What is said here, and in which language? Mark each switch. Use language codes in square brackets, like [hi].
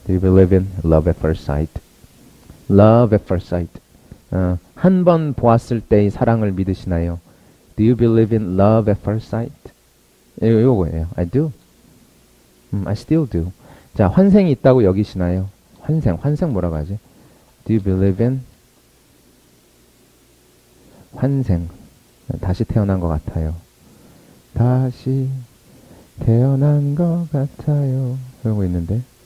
[en] Do you believe in love at first sight? Love at first sight. [ko] 한 번 보았을 때의 사랑을 믿으시나요? [en] Do you believe in love at first sight? [ko] 이거예요. [en] I do. I still do. [ko] 자, 환생이 있다고 여기시나요? 환생 뭐라고 하지? [en] Do you believe in [ko] 환생? 다시 태어난 것 같아요. 다시 태어난 것 같아요. 이러고 있는데.